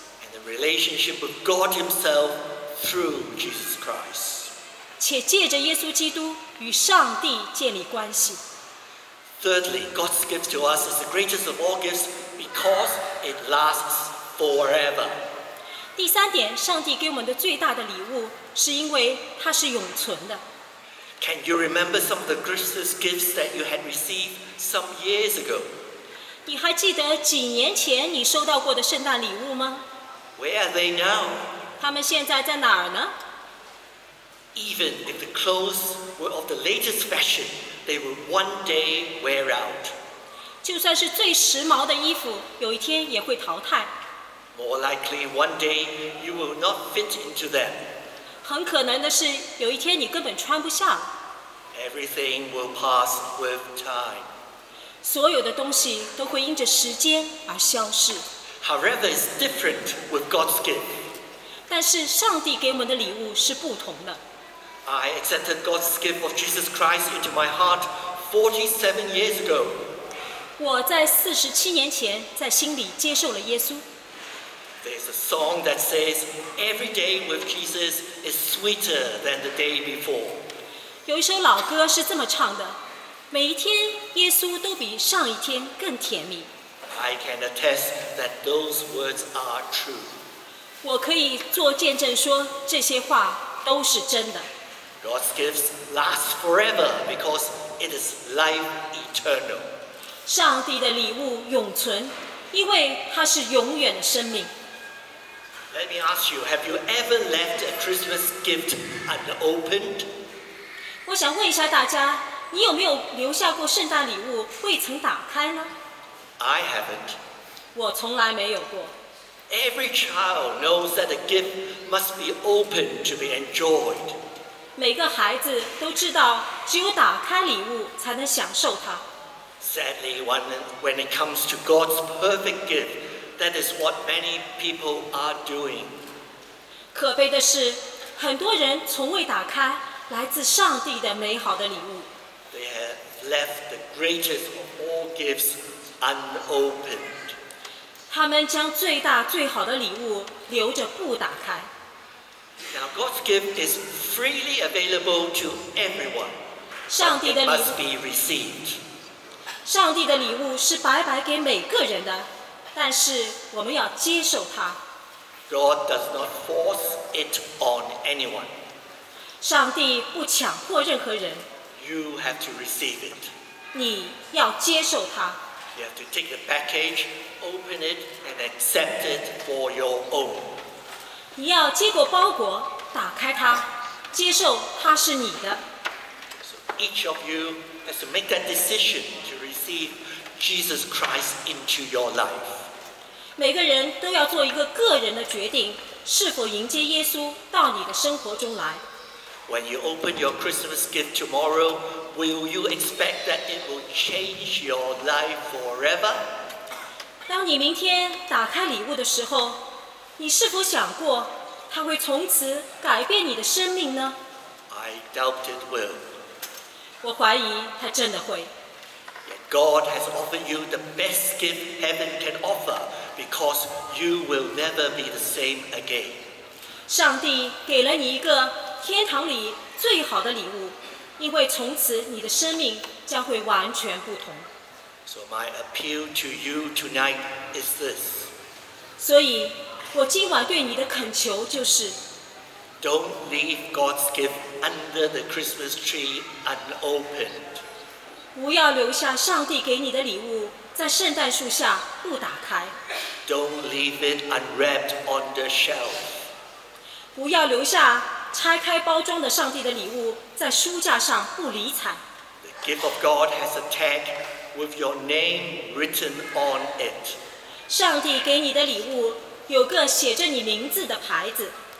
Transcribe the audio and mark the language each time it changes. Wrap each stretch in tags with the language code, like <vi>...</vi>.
<en>And a relationship with God Himself through Jesus Christ.</en> <zh>且借着耶稣基督与上帝建立关系。</zh> <en>Thirdly, God's gift to us is the greatest of all gifts because it lasts forever.</en> <zh>第三点，上帝给我们的最大的礼物是因为它是永存的。</zh> <en>Can you remember some of the greatest gifts that you had received some years ago?</en> <zh>你还记得几年前你收到过的圣诞礼物吗？</zh> <en>Where are they now?</en> <zh>他们现在在哪儿呢？</zh> <en>Even if the clothes were of the latest fashion, they will one day wear out.</en> <zh>就算是最时髦的衣服，有一天也会淘汰。</zh> <en>More likely, one day you will not fit into them.</en> <zh>很可能的是，有一天你根本穿不下。</zh> <en>Everything will pass with time.</en> <zh>所有的东西都会因着时间而消逝。</zh> <en>However, it's different with God's gift.</en> <zh>但是上帝给我们的礼物是不同的。</zh> <en>I accepted God's gift of Jesus Christ into my heart 47 years ago.</en> <zh>我在47年前在心里接受了耶稣。</zh> <en>There's a song that says, every day with Jesus is sweeter than the day before.</en> <zh>有一首老歌是这么唱的，每一天耶稣都比上一天更甜蜜。</zh> <en>I can attest that those words are true.</en> <zh>我可以做见证说这些话都是真的。</zh> <en>God's gifts last forever because it is life eternal.</en> <zh>上帝的礼物永存，因为它是永远的生命。</zh> <en>Let me ask you, have you ever left a Christmas gift unopened?</en> <zh>我想问一下大家，你有没有留下过圣诞礼物未曾打开呢？</zh> <en>I haven't.</en> <zh>我从来没有过。</zh> <en>Every child knows that a gift must be opened to be enjoyed.</en> <zh>每个孩子都知道，只有打开礼物才能享受它。</zh> <en>Sadly, when it comes to God's perfect gift,That is what many people are doing.</en> <zh>可悲的是，很多人从未打开来自上帝的美好的礼物。</zh> <en>They have left the greatest of all gifts unopened.</en> <zh>他们将最大最好的礼物留着不打开。</zh> <en>Now God's gift is freely available to everyone.</en> <zh>上帝的礼物</zh> <en>must be received.</en> <zh>上帝的礼物是白白给每个人的。但是我们要接受它。</zh> <en>God does not force it on anyone.</en> <zh>上帝不强迫任何人。</zh> <en>You have to receive it.</en> <zh>你要接受它。</zh> <en>You have to take the package, open it, and accept it for your own.</en> <zh>你要接过包裹，打开它，接受它是你的。</zh> <en>So each of you has to make that decision to receive Jesus Christ into your life.</en> <zh>每个人都要做一个个人的决定，是否迎接耶稣到你的生活中来。</zh> <en>When you open your Christmas gift tomorrow, will you expect that it will change your life forever?</en> <zh>当你明天打开礼物的时候，你是否想过它会从此改变你的生命呢？</zh> <en>I doubt it will.</en> <zh>我怀疑它真的会。</zh> <en>God has offered you the best gift heaven can offer because you will never be the same again.</en> <zh>上帝给了你一个天堂里最好的礼物，因为从此你的生命将会完全不同。</zh> <en>So my appeal to you tonight is this.</en> <zh>所以我今晚对你的恳求就是</zh> <en>Don't leave God's gift under the Christmas tree unopened.</en> <zh>不要留下上帝给你的礼物在圣诞树下不打开。</zh> <en>Don't leave it unwrapped on the shelf.</en> <zh>不要留下拆开包装的上帝的礼物在书架上不理睬。</zh> <en>The gift of God has a tag with your name written on it.</en> <zh>上帝给你的礼物有个写着你名字的牌子。</zh>